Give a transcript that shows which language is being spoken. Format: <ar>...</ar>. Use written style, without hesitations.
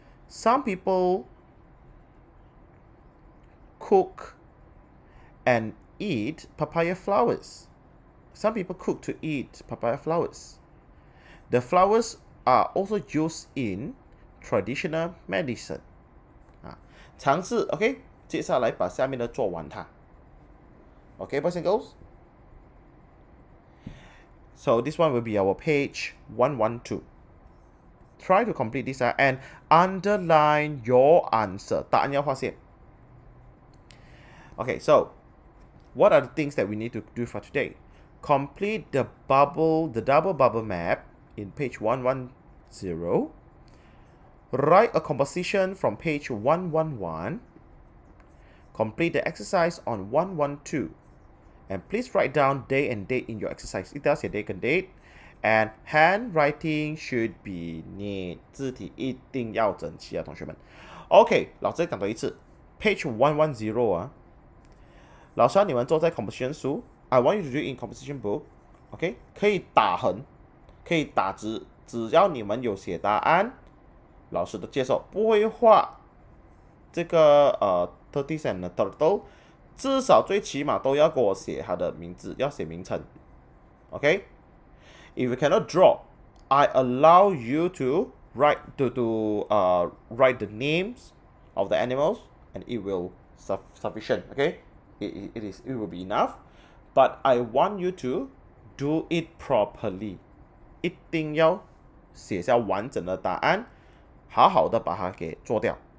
<en>Some people cook and eat papaya flowers. Some people cook to eat papaya flowers. The flowers are also used in traditional medicine.</en> <zh>尝试, okay? 接下来把下面的做完它。</zh> <en>Okay, boys and girls? So this one will be our page 112. Try to complete this and underline your answer.</en> <zh>答案要划线.</zh> <en>Okay, so what are the things that we need to do for today? Complete the double bubble map in page 110. Write a composition from page 111. Complete the exercise on 112. And please write down day and date in your exercise. It does your day and date. And handwriting should be neat.</en> <zh>字体一定要整齐啊,同学们. Okay, 老师再讲多一次.Page 110 啊. 老师要你们坐在 composition 书.</zh> <en>I want you to do in composition book.</en> <zh>Okay, 可以打横, 可以打直, 只要你们有写答案, 老师都接受. 不会画这个</zh> <en>tortoise and the turtle,</en> <zh>至少最起码都要给我写他的名字, 要写名称.Okay?</zh> <en>If you cannot draw, I allow you to write write the names of the animals and it will sufficient. Okay? It will be enough. But I want you to do it properly.</en> <zh>一定要写下完整的答案, 好好的把它给做掉.</zh>